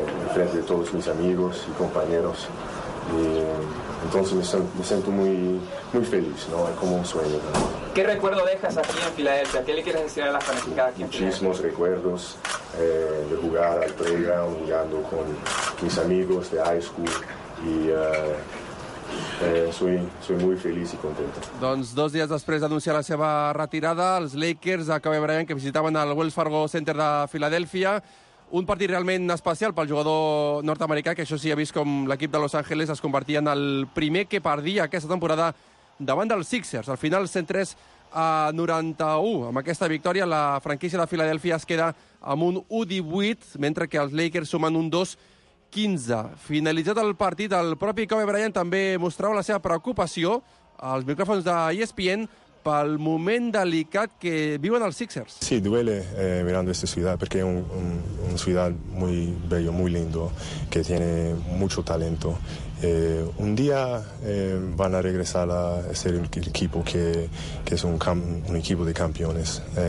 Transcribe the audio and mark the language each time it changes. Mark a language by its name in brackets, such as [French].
[Spanish] En frente de todos mis amigos y compañeros. Y entonces me siento muy, muy feliz, ¿no? Es como un sueño, ¿no? ¿Qué recuerdo dejas aquí en Filadelfia? ¿Qué le quieres decir a la fanática aquí? Muchísimos recuerdos de jugar al playground, jugando con mis amigos de high school. Y soy muy feliz y contento. [Catalan] Doncs dos dies després d'anunciar la seva retirada, els Lakers, a Kobe Bryant, que visitaven el Wells Fargo Center de Filadèlfia, Un partit realment especial pel jugador nord-americà, que això sí, ha vist com l'equip de Los Angeles es convertia en el primer que perdia aquesta temporada davant dels Sixers. Al final, 103-91. Amb aquesta victòria, la franquícia de Filadèlfia es queda amb un 1-18, mentre que els Lakers sumen un 2-15. Finalitzat el partit, el propi Kobe Bryant també mostrava la seva preocupació als micròfons de ESPN pel moment delicat que viuen els Sixers. [Spanish] Sí, duele mirando esta ciudad, porque es un ciudad muy bello, muy lindo, que tiene mucho talento. Un día van a regresar a ser el equipo que es un equipo de campeones.